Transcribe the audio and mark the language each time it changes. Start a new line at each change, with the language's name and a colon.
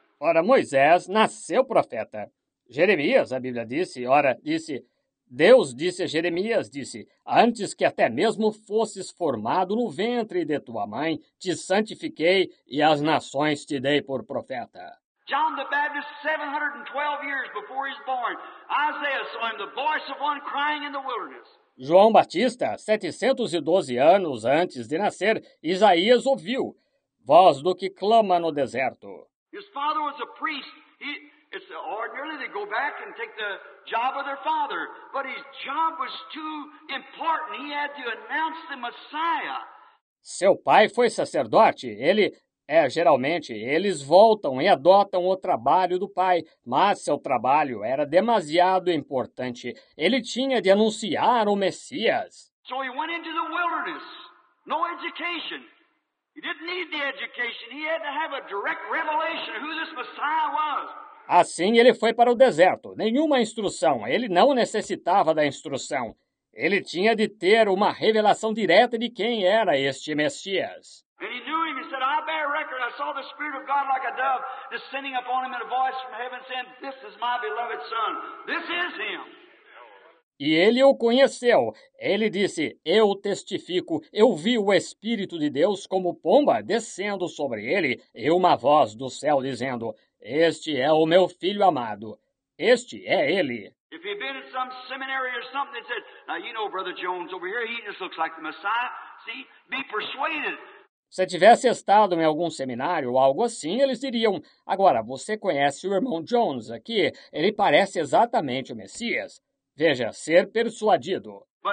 Portuguese: Ora, Moisés nasceu profeta. Jeremias, a Bíblia disse, ora, disse, Deus disse a Jeremias, disse, antes que até mesmo fosses formado no ventre de tua mãe, te santifiquei e as nações te dei por profeta.
English: John the Baptist, 712 years before he's born, Isaiah saw him, the voice of one crying in the wilderness.
Portuguese: João Batista, 712 anos antes de nascer, Isaías ouviu, voz do que clama no deserto.
English: His father was a priest. It's ordinary they go back and take the job of their father, but his job was too important. He had to announce the Messiah.
Portuguese: Seu pai foi sacerdote. Geralmente, eles voltam e adotam o trabalho do pai, mas seu trabalho era demasiado importante. Ele tinha de anunciar o Messias.
English: So he went into the wilderness, no education. He didn't need the education. He had to have a direct revelation of who this Messiah was.
Portuguese: Assim, ele foi para o deserto. Nenhuma instrução. Ele não necessitava da instrução. Ele tinha de ter uma revelação direta de quem era este Messias.
English: And he knew him. He said, I bear record. I saw the Spirit of God like a dove descending upon him in a voice from heaven saying, this is my beloved son. This is him.
Portuguese: E ele o conheceu. Ele disse, eu testifico, eu vi o Espírito de Deus como pomba descendo sobre ele e uma voz do céu dizendo, este é o meu filho amado. Este é ele.
English: If he'd been in some seminary or something, he said, now you know Brother Jones over here, he just looks like the Messiah. See, be persuaded.
Portuguese: Se tivesse estado em algum seminário ou algo assim, eles diriam, agora, você conhece o irmão Jones aqui? Ele parece exatamente o Messias. Veja, ser persuadido.